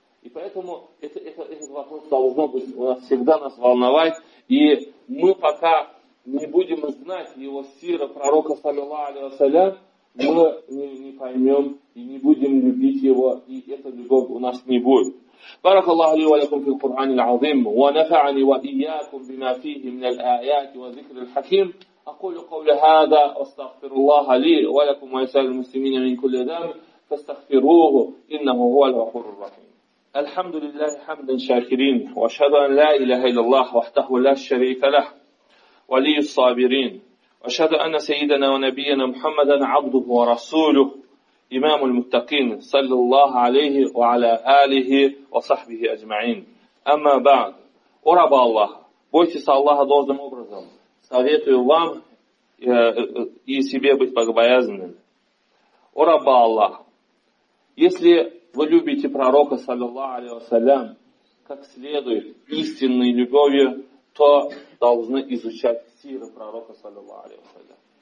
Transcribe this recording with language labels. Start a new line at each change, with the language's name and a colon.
Russian: И поэтому этот вопрос должно быть у нас всегда нас волновать. И мы пока не будем знать его сира, пророка, саллиллаху алейхи вассалям, мы не поймем и не будем любить его, и эта любовь у нас не будет.
Arabic: بارك الله لي ولكم في القرآن العظيم ونفعني وإياكم بما فيه من الآيات وذكر الحكيم أقول قول هذا واستغفر الله لي ولكم ويسأل المسلمين من كل ذنب فاستغفروه إنه هو الغفور الرحيم الحمد لله حمدا شاكرين وأشهد أن لا إله إلا الله وحده لا شريك له ولي الصابرين وأشهد أن سيدنا ونبينا محمدا عبده ورسوله إمام المتقين صلى الله عليه وعلى آله وصحبه أجمعين أما بعد أرب الله
Russian: бойтесь Аллаха должным образом. Советую вам и себе быть богобоязненным. О раба Аллах, если вы любите пророка, саллиллаху алейхи вассалям, как следует, истинной любовью, то должны изучать сиру пророка, саллиллаху алейхи вассалям.